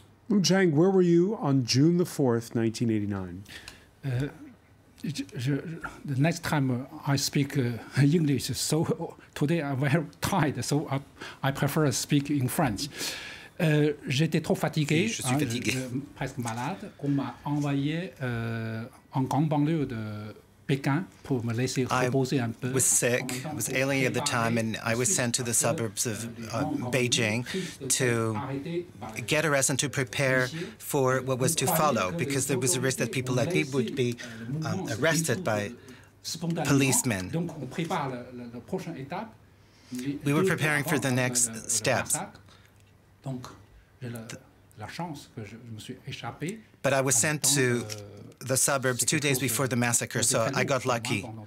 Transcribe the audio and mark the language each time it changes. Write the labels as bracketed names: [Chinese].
[English] Zhang, where were you on June the 4th, 1989? The next time I speak English, so today I'm very tired, so I prefer to speak in French. [French] J'étais trop fatigué, oui, je suis fatigué. Presque malade. On m'a envoyé en grande banlieue de Pékin pour me laisser reposer un peu. [English] I was sick, I was ailing at the time, and I was sent to the suburbs of Beijing to get a rest and to prepare for what was to follow, because there was a risk that people like me would be arrested by policemen. [French] Donc on prépare la prochaine étape. [English] We were preparing for the next steps. [French] Donc, j'ai la chance que je me suis échappé. [English] But I was sent to the suburbs 2 days before the massacre, so I got lucky.